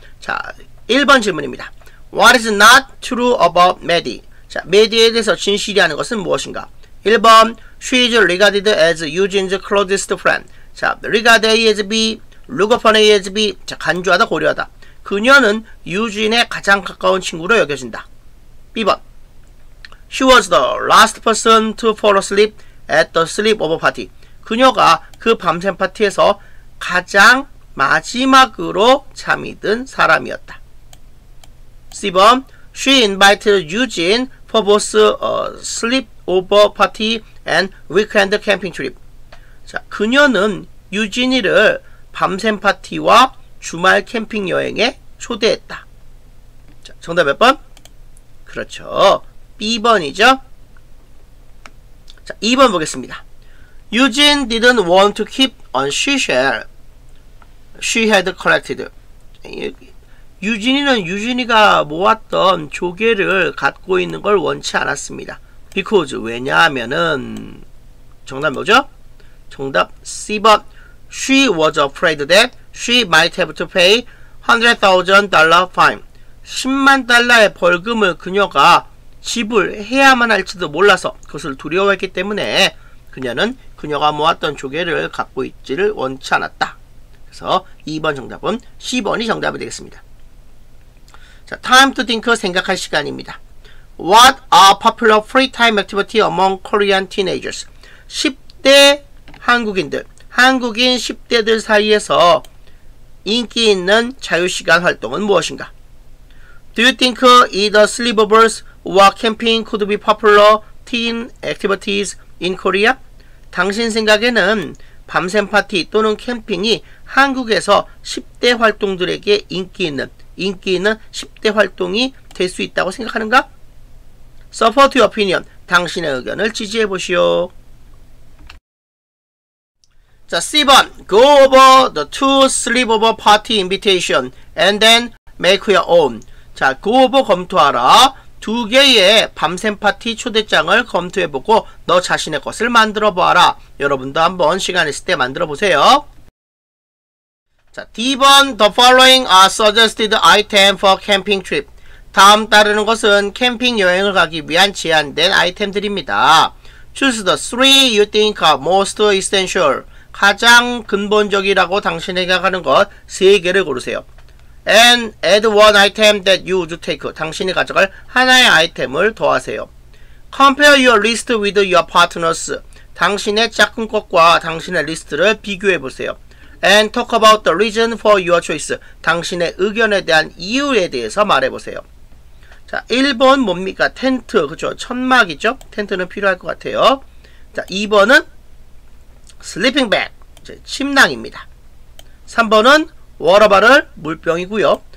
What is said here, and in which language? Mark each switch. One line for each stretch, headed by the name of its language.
English: 자,
Korean: 1번 질문입니다.
English: What is not true about Maddie?
Korean: 자, Maddie에 대해서 진실이라는 것은 무엇인가? 1번,
English: she is regarded as Eugene's closest friend. 자, regarded as B, look upon as B. 자,
Korean: 간주하다, 고려하다. 그녀는 유진의 가장 가까운 친구로 여겨진다. B번.
English: She was the last person to fall asleep at the sleepover party.
Korean: 그녀가 그 밤샘 파티에서 가장 마지막으로 잠이 든 사람이었다.
English: C번. She invited Eugene for both sleepover party and weekend camping trip.
Korean: 자, 그녀는 유진이를 밤샘 파티와 주말 캠핑 여행에 초대했다. 자, 정답 몇 번? 그렇죠. B번이죠.
English: 자,
Korean: 2번 보겠습니다.
English: Eugene didn't want to keep on seashell she had collected.
Korean: 유진이는 유진이가 모았던 조개를 갖고 있는 걸 원치 않았습니다. Because 왜냐하면은 정답 뭐죠? 정답 C번.
English: She was afraid that she might have to pay $100,000 fine.
Korean: 10만 달러의 벌금을 그녀가 지불해야만 할지도 몰라서 그것을 두려워했기 때문에 그녀는 그녀가 모았던 조개를 갖고 있지를 원치 않았다. 그래서 2번 정답은 C번이 정답이 되겠습니다. 자,
English: time to think,
Korean: 생각할 시간입니다.
English: What are popular free time activity among Korean teenagers?
Korean: 10대 한국인들, 한국인 10대들 사이에서 인기 있는 자유시간 활동은 무엇인가?
English: Do you think either sleepovers or camping could be popular teen activities in Korea?
Korean: 당신 생각에는 밤샘 파티 또는 캠핑이 한국에서 10대 활동들에게 인기 있는 10대 활동이 될 수 있다고 생각하는가?
English: Support your opinion.
Korean: 당신의 의견을 지지해 보시오. 자, C번.
English: Go over the two sleepover party invitation and then make your own.
Korean: 자, go over 검토하라. 두 개의 밤샘 파티 초대장을 검토해보고 너 자신의 것을 만들어보아라. 여러분도 한번 시간 있을 때 만들어보세요. 자, D번.
English: The following are suggested items for camping trip.
Korean: 다음 따르는 것은 캠핑 여행을 가기 위한 제안된 아이템들입니다.
English: Choose the three you think are most essential.
Korean: 가장 근본적이라고 당신이 생각하는 것 세 개를 고르세요.
English: And add one item that you would take.
Korean: 당신이 가져갈 하나의 아이템을 더하세요.
English: Compare your list with your partner's.
Korean: 당신의 짝꿍것과 당신의 리스트를 비교해보세요.
English: And talk about the reason for your choice.
Korean: 당신의 의견에 대한 이유에 대해서 말해보세요. 자, 1번 뭡니까? 텐트. 그렇죠. 천막이죠. 텐트는 필요할 것 같아요. 자, 2번은 Sleeping bag, 침낭입니다. 3번은 워터바를 물병이고요.